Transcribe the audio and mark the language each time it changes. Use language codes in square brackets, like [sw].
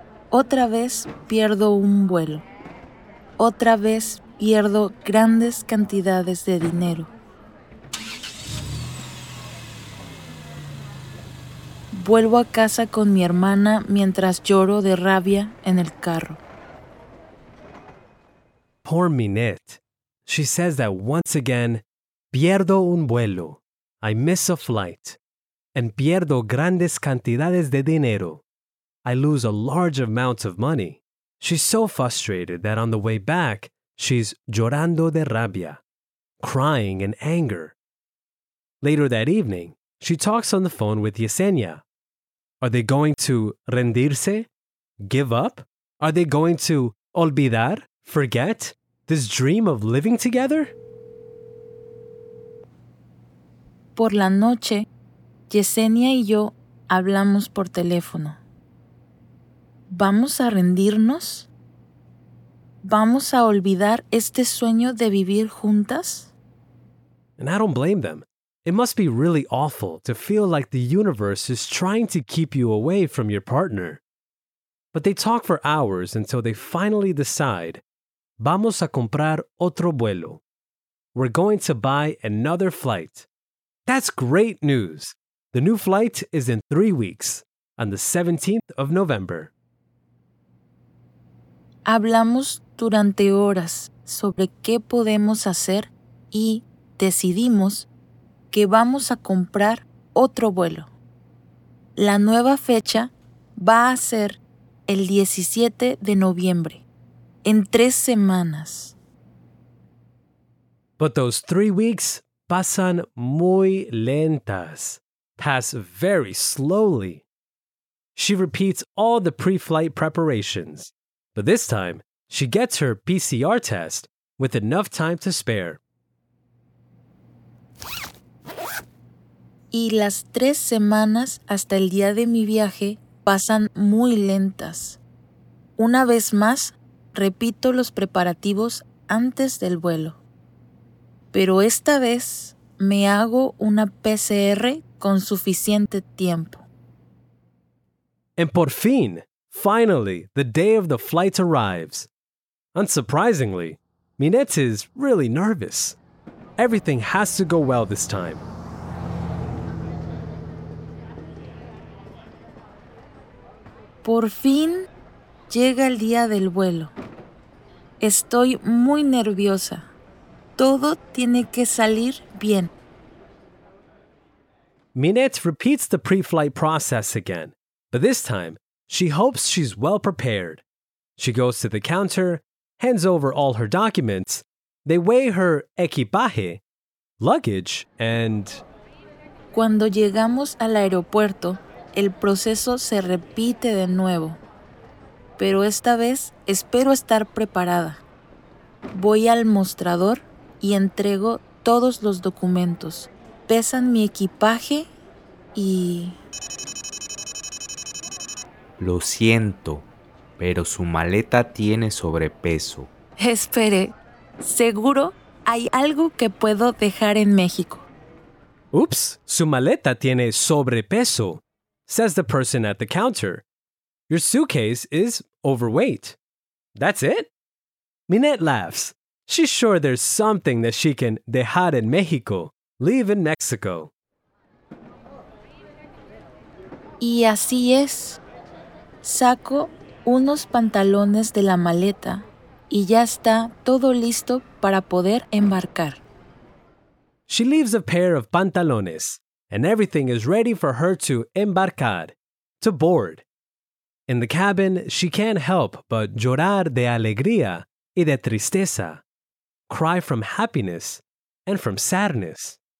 [es] Otra vez pierdo un vuelo. Otra vez pierdo grandes cantidades de dinero. Vuelvo a casa con mi hermana mientras lloro de rabia en el carro. [en] Poor Minette. She says that once again, [es] pierdo un vuelo. [en] I miss a flight. And [es] pierdo grandes cantidades de dinero. [en] I lose a large amount of money. She's so frustrated that on the way back, she's [es] llorando de rabia, [en] crying in anger. Later that evening, she talks on the phone with Yesenia. Are they going to rendirse? Give up? Are they going to olvidar? Forget? This dream of living together? [es] Por la noche, Yesenia y yo hablamos por teléfono. ¿Vamos a rendirnos? ¿Vamos a olvidar este sueño de vivir juntas? [en] And I don't blame them. It must be really awful to feel like the universe is trying to keep you away from your partner. But they talk for hours until they finally decide, [es] vamos a comprar otro vuelo. [en] We're going to buy another flight. That's great news. The new flight is in 3 weeks, on the 17th of November. [es] Hablamos durante horas sobre qué podemos hacer y decidimos que vamos a comprar otro vuelo. La nueva fecha va a ser el 17 de noviembre, en 3 semanas. [en] But those 3 weeks [es] pasan muy lentas, [en] pass very slowly. She repeats all the pre-flight preparations, but this time she gets her PCR test with enough time to spare. [es] Y las 3 semanas hasta el día de mi viaje pasan muy lentas. Una vez más, repito los preparativos antes del vuelo. Pero esta vez me hago una PCR con suficiente tiempo. [en] And [es] por fin, [en] finally, the day of the flight arrives. Unsurprisingly, Minette is really nervous. Everything has to go well this time. [es] Por fin llega el día del vuelo. Estoy muy nerviosa. Todo tiene que salir bien. [en] Minette repeats the pre-flight process again, but this time, she hopes she's well prepared. She goes to the counter, hands over all her documents. They weigh her equipaje, luggage, and... [es] Cuando llegamos al aeropuerto, el proceso se repite de nuevo. Pero esta vez espero estar preparada. Voy al mostrador y entrego todos los documentos. Pesan mi equipaje y... Lo siento, pero su maleta tiene sobrepeso. Espere, seguro hay algo que puedo dejar en México. Ups, su maleta tiene sobrepeso, [en] says the person at the counter. Your suitcase is overweight. That's it? Minette laughs. She's sure there's something that she can [es] dejar en México, [en] leave in Mexico. [es] Y así es. Saco unos pantalones de la maleta y ya está todo listo para poder embarcar. [en] She leaves a pair of pantalones and everything is ready for her to embarcar, to board. In the cabin, she can't help but [es] llorar de alegría y de tristeza, [en] cry from happiness and from sadness.